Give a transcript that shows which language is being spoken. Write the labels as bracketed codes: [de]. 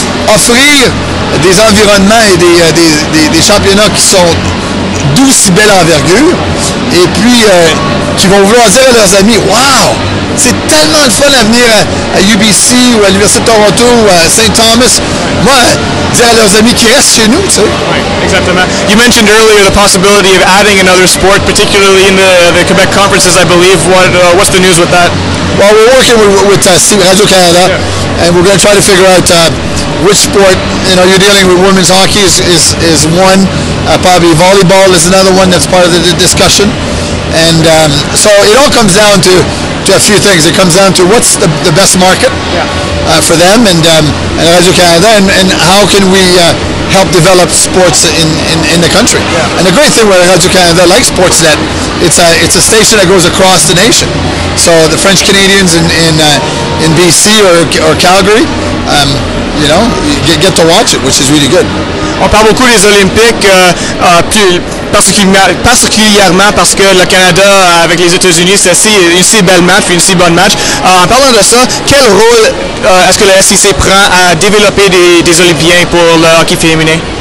[fr] Offrir des environnements et des championnats qui sont d'où si belle envergure. Et puis, qui vont vouloir dire à leurs amis, « Wow! C'est tellement le fun à venir à UBC ou à l'Université de Toronto ou à St. Thomas. » Moi, dire à leurs amis qu'ils restent chez nous, tu sais. Exactement. [en] You mentioned earlier the possibility of adding another sport, particularly in the Quebec conferences, I believe. What's the news with that? Well, we're working with Radio-Canada, yeah. And we're going to try to figure out which sport. You know, you're dealing with women's hockey is one. Probably volleyball is another one that's part of the discussion. And so it all comes down to a few things. It comes down to what's the best market for them and Radio-Canada, and how can we... help develop sports in the country. Yeah. And the great thing with Radio-Canada, like Sportsnet, it's a station that goes across the nation. So the French Canadians in BC or Calgary, you know, get to watch it, which is really good. [fr] On parle beaucoup des Olympiques, particulièrement parce que le Canada avec les États-Unis, c'est une si belle match, une si bonne match. En parlant de ça, quel rôle est-ce que le SEC prend à développer des Olympiens pour le hockey féminin?